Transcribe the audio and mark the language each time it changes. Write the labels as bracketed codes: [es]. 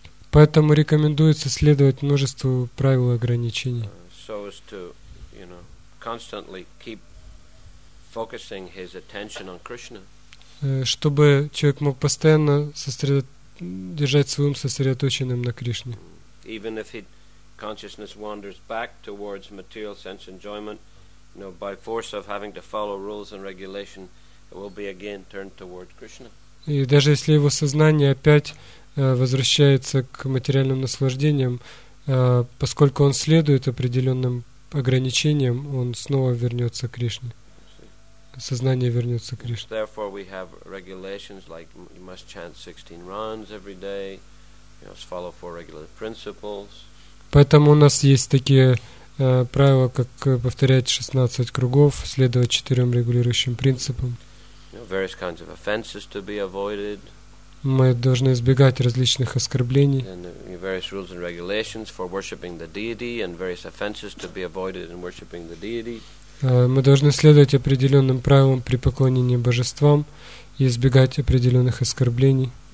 [ru] Поэтому рекомендуется следовать множеству правил и ограничений. Чтобы человек мог постоянно держать своим сосредоточенным на Кришне. [en] Even if his consciousness wanders back towards material sense enjoyment, you know, by force of having to follow rules and regulation, it will be again turned towards Krishna. [ru] И даже если его сознание опять возвращается к материальным наслаждениям, поскольку он следует определенным ограничениям, он снова вернется к Кришне. Сознание вернется к Кришне. [en] Therefore, we have regulations like you must chant 16 rounds every day, you must follow four regular principles. [ru] Поэтому у нас есть такие правила, как повторять 16 кругов, следовать четырем регулирующим принципам. [en] Various kinds of offenses to be avoided. [ru] Мы должны избегать различных оскорблений. [en] And various rules and regulations for worshiping the deity, and various offenses to be avoided in worshiping the deity. [ru] Мы должны следовать определенным правилам при поклонении божествам и избегать определенных оскорблений.